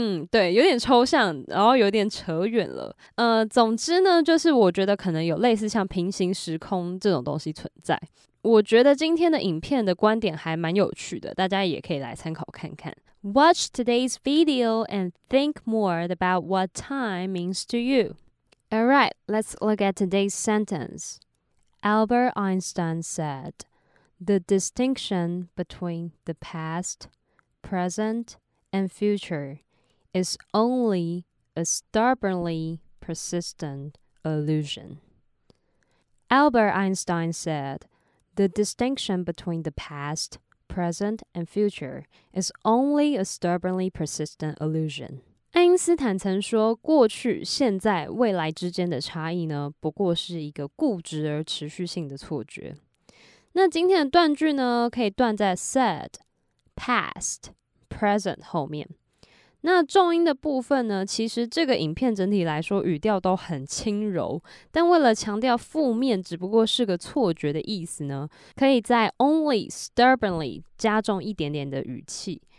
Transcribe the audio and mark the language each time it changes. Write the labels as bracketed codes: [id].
[zh] 对，有点抽象，然后有点扯远了。总之呢，就是我觉得可能有类似像平行时空这种东西存在。我觉得今天的影片的观点还蛮有趣的，大家也可以来参考看看。 [en] Watch today's video and think more about what time means to you. All right, let's look at today's sentence. Albert Einstein said, "The distinction between the past, present, and future is only a stubbornly persistent illusion." Albert Einstein said, "The distinction between the past, present, and future is only a stubbornly persistent illusion." [zh] 爱因斯坦曾说，过去、现在、未来之间的差异呢，不过是一个固执而持续性的错觉。那今天的断句呢，可以断在 said, past,present 后面。那重音的部分呢，其实这个影片整体来说语调都很轻柔，但为了强调负面只不过是个错觉的意思呢，可以在 [en] only stubbornly [zh] 加重一点点的语气。